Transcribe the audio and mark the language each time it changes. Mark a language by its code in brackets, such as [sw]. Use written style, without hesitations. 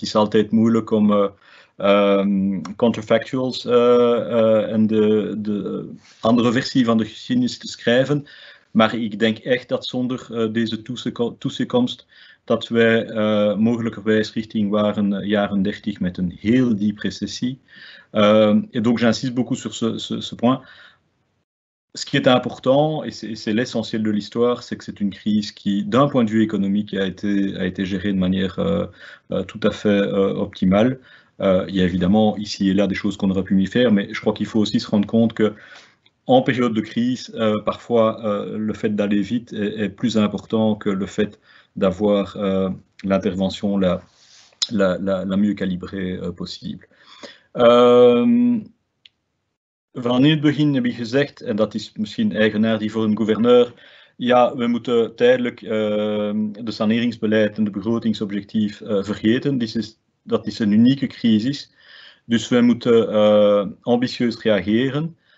[nl] Het is altijd moeilijk om counterfactuals en de andere versie van de geschiedenis te schrijven, maar ik denk echt dat zonder deze tussenkomst dat wij mogelijkerwijs richting waren jaren 30 met een heel diepe recessie. [fr] Et donc j'insiste beaucoup sur ce point. Ce qui est important, et c'est l'essentiel de l'histoire, c'est que c'est une crise qui, d'un point de vue économique, a été gérée de manière tout à fait optimale. Il y a évidemment ici et là des choses qu'on aurait pu mieux faire, mais je crois qu'il faut aussi se rendre compte que En période de crise, parfois, le fait d'aller vite est plus important que le fait d'avoir l'intervention la mieux calibrée possible. [nl] Van in het begin heb ik gezegd, en dat is misschien eigenaardig voor een gouverneur, ja, we moeten tijdelijk de saneringsbeleid en de begrotingsobjectief vergeten. Dat is een unieke crisis. Dus we moeten ambitieus reageren.